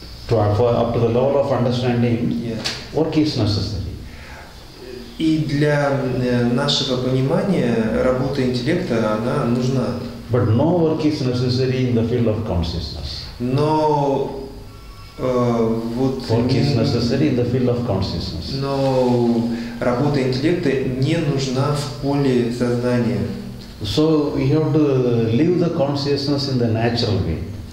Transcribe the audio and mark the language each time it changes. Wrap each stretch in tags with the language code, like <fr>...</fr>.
<en>Up to the level of understanding, yeah. Work is necessary.</en> <ru>И для нашего понимания работа интеллекта она нужна.</ru> <en>But no work is necessary in the field of consciousness. No. Work is necessary in the field of consciousness.</en> <ru>Но работа интеллекта не нужна в поле сознания.</ru> <en>So we have to leave the consciousness in the natural way.</en>